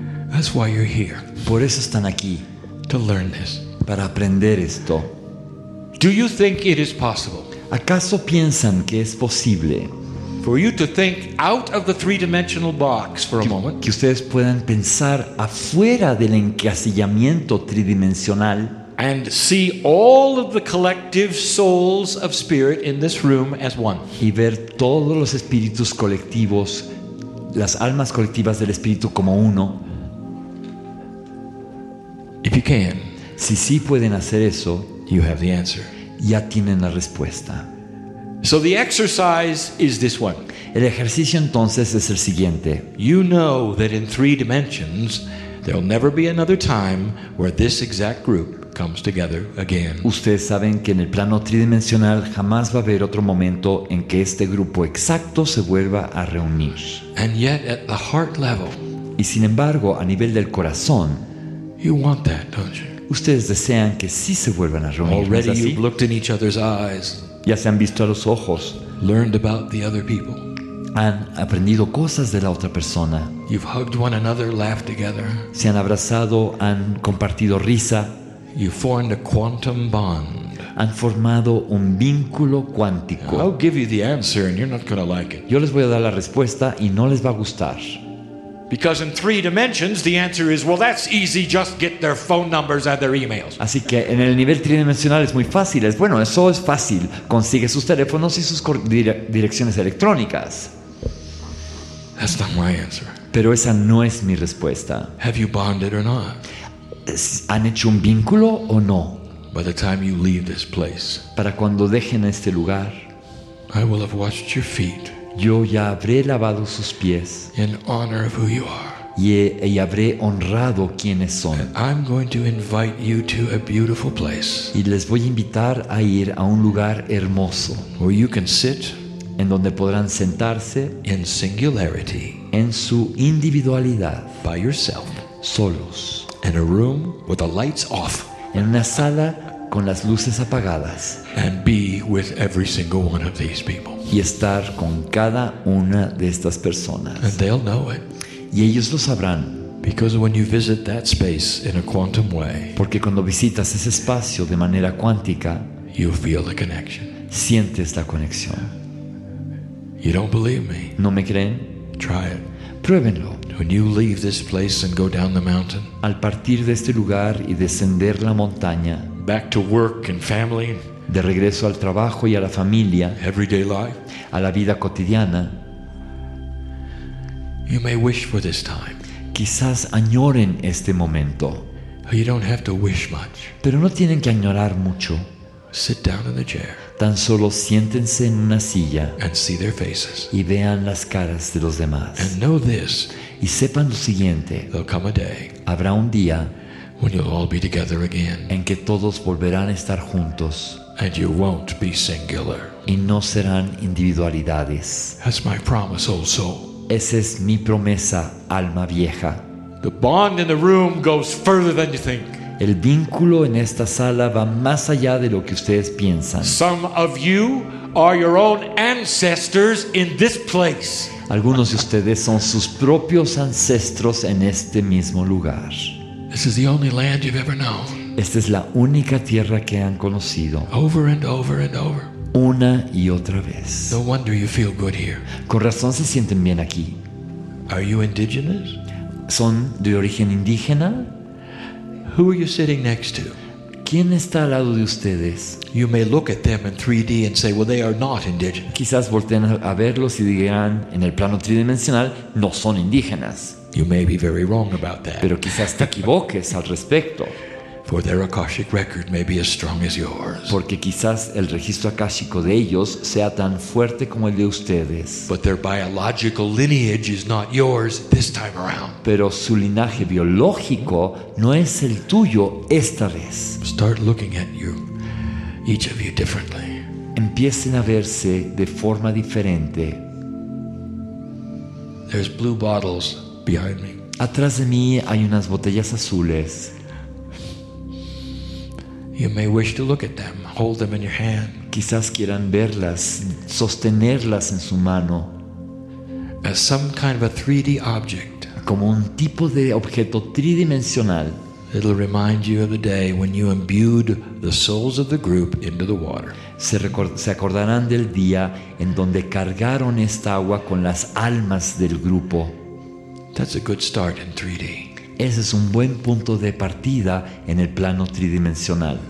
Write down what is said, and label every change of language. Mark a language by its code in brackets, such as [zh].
[en] That's why you're here. [es] Por eso están aquí. [en] To learn this. [es] Para aprender esto. [en] Do you think it is possible? [es] ¿Acaso piensan que es posible? [en] For you to think out of the three-dimensional box for a moment. [es] Que ustedes puedan pensar afuera del encasillamiento tridimensional. [en] And see all of the collective souls of spirit in this room as one. [es] Y ver todos los espíritus colectivos, las almas colectivas del espíritu como uno. [en] If you can, [es] si sí pueden hacer eso, [en] you have the answer. [es] Ya tienen la respuesta. [en] So the exercise is this one. [es] El ejercicio entonces es el siguiente. [en] You know that in three dimensions, there'll never be another time where this exact group comes together again. [es] Ustedes saben que en el plano tridimensional jamás va a haber otro momento en que este grupo exacto se vuelva a reunir. [en] And yet at the heart level, [es] y sin embargo, a nivel del corazón, [en] you want that, don't you? [es] Ustedes desean que sí se vuelvan a reunir. [en] Already you've looked in each other's eyes. [es] Ya se han visto a los ojos. [en] Learned about the other people. [es] Han aprendido cosas de la otra persona. [en] You've hugged one another, laughed together. [es] Se han abrazado, han compartido risa. [en] You formed a quantum bond. [es] han formado un vínculo cuántico. [en] I'll give you the answer and you're not going to like it. [es] Yo les voy a dar la respuesta y no les va a gustar. [en] Because in three dimensions, the answer is, well, that's easy, just get their phone numbers and their emails. [es] Así que en el nivel tridimensional es muy fácil. Es bueno, eso es fácil. Consigue sus teléfonos y sus direcciones electrónicas. [en] That's not my answer. [es] Pero esa no es mi respuesta. [en] Have you bonded or not? [es] ¿Han hecho un vínculo o no? [en] By the time you leave this place, [es] para cuando dejen este lugar, [en] I will have washed your feet. [es] Yo ya habré lavado sus pies [en] in honor of who you are. [es] Y habré honrado quienes son. [en] I'm going to invite you to a beautiful place. [es] Y les voy a invitar a ir a un lugar hermoso. [en] Where you can sit [es] en donde podrán sentarse [en] in singularity [es] en su individualidad [en] by yourself [es] solos [en] in a room with the lights off [es] en una sala con las luces apagadas [en] and be with every single one of these people. [es] Y estar con cada una de estas personas. [en] And they'll know it. [es] Y ellos lo sabrán. [en] Because when you visit that space in a quantum way, [es] porque cuando visitas ese espacio de manera cuántica, [en] you feel the connection. [es] Sientes la conexión. [en] You don't believe me. [es] ¿No me creen? [en] Try it. [es] Pruébenlo. [en] When you leave this place and go down the mountain, [es] al partir de este lugar y descender la montaña, [en] back to work and family, [es] de regreso al trabajo y a la familia, [en] everyday life, [es] a la vida cotidiana, [en] you may wish for this time. [es] Quizás añoren este momento. [en] You don't have to wish much. [es] Pero no tienen que añorar mucho. [en] Sit down in the chair. [es] Tan solo siéntense en una silla [en] and see their faces. [es] Y vean las caras de los demás. [en] And know this, [es] y sepan lo siguiente, [en] there'll come a day, [es] habrá un día [en] when you'll all be together again, [es] en que todos volverán a estar juntos. [en] And you won't be singular. [es] Y no serán individualidades. [en] That's my promise, old soul. [es] Esa es mi promesa, alma vieja. [en] The bond in the room goes further than you think. [es] El vínculo en esta sala va más allá de lo que ustedes piensan. [en] Some of you are your own ancestors in this place. [es] Algunos de ustedes son sus propios ancestros en este mismo lugar. [en] This is the only land you've ever known. [es] Esta es la única tierra que han conocido. [en] Over and over and over. [es] Una y otra vez. [en] No wonder you feel good here. [es] Con razón se sienten bien aquí. [en] Are you indigenous? [es] ¿Son de origen indígena? [en] Who are you sitting next to? [es] ¿Quién está al lado de ustedes? [en] You may look at them in 3D and say, well, they are not indigenous. [es] Quizás volteen a verlos y digan, en el plano tridimensional, no son indígenas. [en] You may be very wrong about that. [es] Pero quizás te equivoques al respecto. [en] For their akashic record may be as strong as yours. [es] Porque quizás el registro akáshico de ellos sea tan fuerte como el de ustedes. [en] But their biological lineage is not yours this time around. [es] Pero su linaje biológico no es el tuyo esta vez. [en] Start looking at you, each of you differently. [es] Empiecen a verse de forma diferente. [en] There's blue bottles behind me. [es] Atrás de mí hay unas botellas azules. [en] You may wish to look at them, hold them in your hand. [es] Quizás quieran verlas, sostenerlas en su mano. [en] As some kind of a 3D object. [es] Como un tipo de objeto tridimensional. [en] It'll remind you of the day when you imbued the souls of the group into the water. [es] Se acordarán del día en donde cargaron esta agua con las almas del grupo. [en] That's a good start in 3D. [es] Ese es un buen punto de partida en el plano tridimensional.